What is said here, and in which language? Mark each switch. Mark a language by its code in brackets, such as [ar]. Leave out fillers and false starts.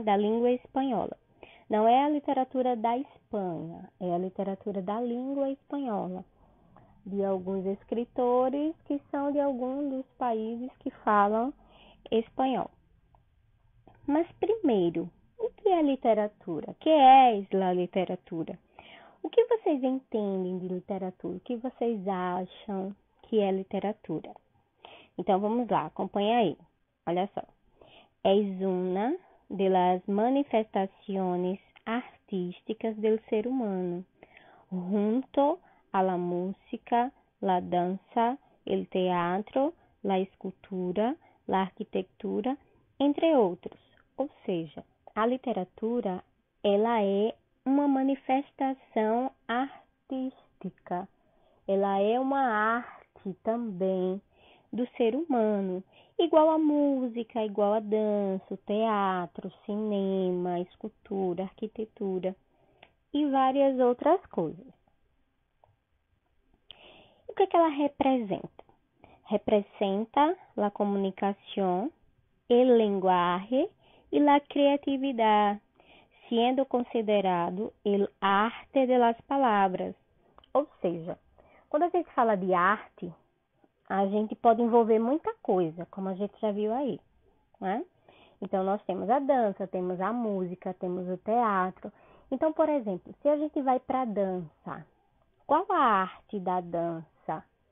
[pt] Da língua espanhola. Não é a literatura da Espanha, é a literatura da língua espanhola, de alguns escritores que são de algum dos países que falam espanhol. Mas primeiro, o que é literatura? O que é a literatura? O que vocês entendem de literatura? O que vocês acham que é literatura? Então vamos lá, acompanha aí. Olha só. [es] Es una de las manifestaciones artísticas del ser humano, junto a la música, la danza, el teatro, la escultura, la arquitectura, entre outros. [pt] Ou seja, a literatura, ela é uma manifestação artística, ela é uma arte também do ser humano, igual à música, igual à dança, teatro, cinema, escultura, arquitetura e várias outras coisas. O que é que ela representa? [es] Representa la comunicación, el lenguaje y la creatividad, siendo considerado el arte de las palabras. [pt] Ou seja, quando a gente fala de arte, a gente pode envolver muita coisa, como a gente já viu aí, né? Então, nós temos a dança, temos a música, temos o teatro. Então, por exemplo, se a gente vai para a dança, qual a arte da dança?